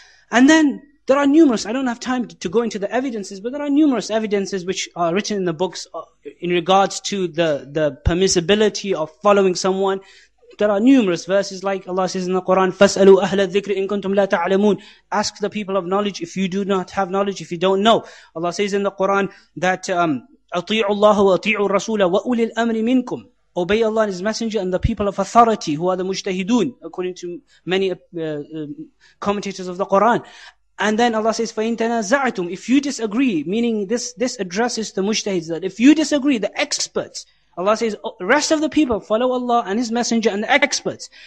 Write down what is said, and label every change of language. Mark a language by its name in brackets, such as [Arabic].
[English] And then there are numerous, I don't have time to go into the evidences, but there are numerous evidences which are written in the books in regards to the permissibility of following someone. There are numerous verses like Allah says in the Quran, [Arabic] فَاسْأَلُوا أَهْلَ الذِّكْرِ إِن كُنْتُمْ لَا تَعْلَمُونَ. [English] Ask the people of knowledge if you do not have knowledge, if you don't know. Allah says in the Quran that [Arabic] أَطِيعُوا اللَّهَ وَأَطِيعُوا الرَّسُولَ وَأُولِي الْأَمْرِ مِنْكُمْ. [English] Obey Allah and His Messenger and the people of authority, who are the mujtahidun, according to many commentators of the Quran. And then Allah says, "Fa in tanaza'tum," if you disagree, meaning this addresses the mujtahids, that if you disagree, the experts, Allah says, rest of the people, follow Allah and His Messenger and the experts.